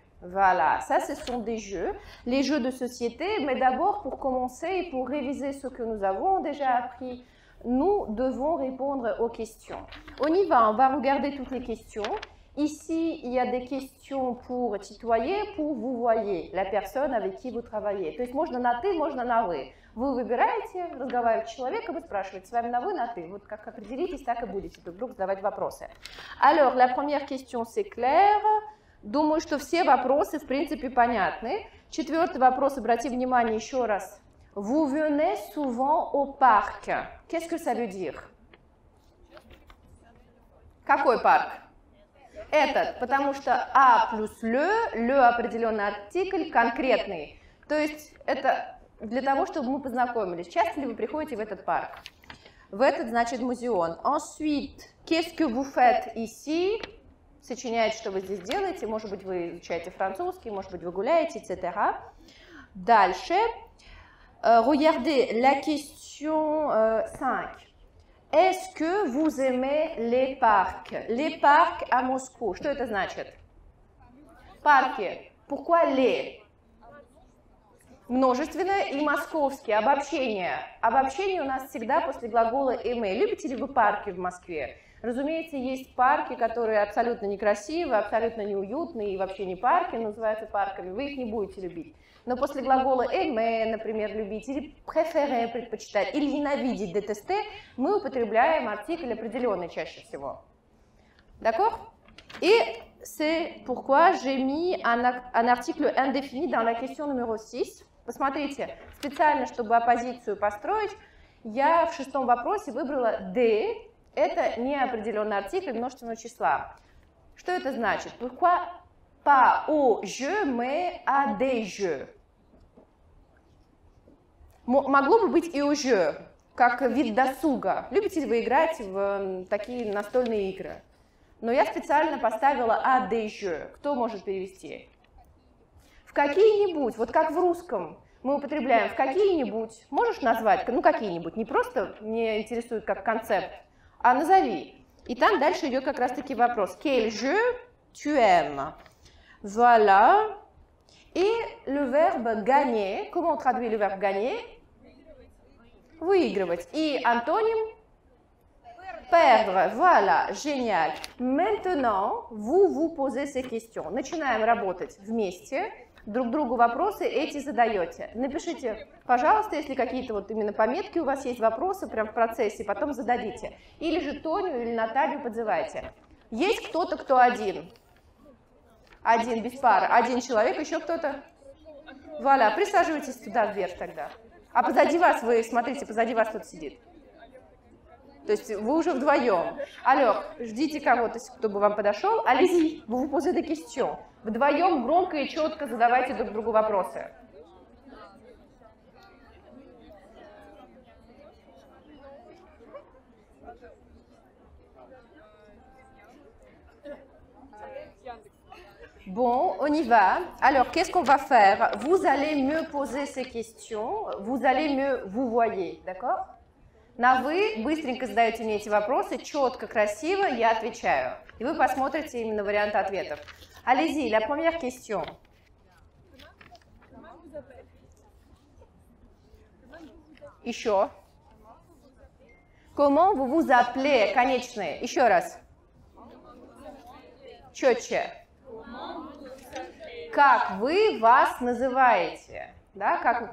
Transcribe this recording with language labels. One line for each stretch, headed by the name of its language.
French: Voilà, ça ce sont des jeux, les jeux de société, mais d'abord pour commencer et pour réviser ce que nous avons déjà appris, nous devons répondre aux questions. On y va, on va regarder toutes les questions. Ici, il y a des questions pour tutoyer, pour vous voyez, la personne avec qui vous travaillez.
Russian: То есть можно на ты, можно на вы. Вы выбираете, разговариваете с человеком, вы спрашиваете, с вами на вы, на ты. Вот как определитесь, так и будете друг другу задавать вопросы.
French: Alors, la première question, c'est clair.
Russian: Думаю, что все вопросы, в принципе, понятны. Четвертый вопрос, обратите внимание еще раз.
French: Vous venez souvent au parc. Qu'est-ce que ça veut dire?
Russian: Какой парк? Этот, потому что «а» плюс «le», «le» определенный артикль, конкретный. То есть это для того, чтобы мы познакомились. Часто ли вы приходите в этот парк? В этот, значит, музеон.
French: Ensuite, qu'est-ce que vous faites ici?
Russian: Сочиняет, что вы здесь делаете. Может быть, вы изучаете французский, может быть, вы гуляете, etc. Дальше.
French: Regardez la question 5. Est-ce que vous aimez les parcs? Les parcs à Moscou.
Russian: Что это значит? Парки.
French: Pourquoi les?
Russian: Множественное и московские. Обобщение. Обобщение у нас всегда после глагола aimer. Любите ли вы парки в Москве? Разумеется, есть парки, которые абсолютно некрасивые, абсолютно неуютные и вообще не парки, называются парками. Вы их не будете любить. Но после глагола aimer, например, любить, или préférer, предпочитать, или ненавидеть, détester, мы употребляем артикль определенный чаще всего.
French: D'accord? Et c'est pourquoi j'ai mis un article indéfini dans la question numéro 6.
Russian: Посмотрите, специально, чтобы оппозицию построить, я в шестом вопросе выбрала «de». Это неопределенный артикль множественного числа. Что это значит?
French: Pourquoi pas au jeu, mais à des jeux?
Russian: Могло бы быть и au jeu, как вид досуга. Любите ли вы играть в такие настольные игры? Но я специально поставила à des jeux. Кто может перевести? В какие-нибудь, вот как в русском. Мы употребляем в какие-нибудь. Можешь назвать? Ну, какие-нибудь. Не просто мне интересует как концепт. А назови. И там дальше идет как раз-таки вопрос.
French: Quel jeu tu aimes? Voilà.
Russian: И
French: le verbe gagner. Comment on traduit le verbe gagner?
Russian: Выигрывать. И антоним?
French: Perdre. Voilà. Génial. Maintenant, vous posez ces questions.
Russian: Начинаем работать вместе. Друг другу вопросы эти задаете. Напишите, пожалуйста, если какие-то вот именно пометки у вас есть, вопросы прям в процессе, потом зададите. Или же Тоню или Наталью подзывайте. Есть кто-то, кто один? Один, без пары. Один человек, еще кто-то? Валя, присаживайтесь туда вверх тогда. А позади вас, вы смотрите, позади вас кто-то сидит. То есть вы уже вдвоем. Алло, ждите кого-то, кто бы вам подошел. Алиси, вы позже до кистью. Вдвоем громко и четко задавайте друг другу вопросы.
French: Bon, on y va. Alors, qu'est-ce qu'on va faire? Vous allez mieux poser ces questions. Vous allez mieux vous voyez, d'accord?
Russian: На вы быстренько задаете мне эти вопросы, четко, красиво, я отвечаю. И вы посмотрите именно варианты ответов.
French: Allez-y, la première question.
Russian: Еще.
French: Comment vous vous appelez?
Russian: Конечные. Еще раз. Четче. Как вы вас называете? Да, как?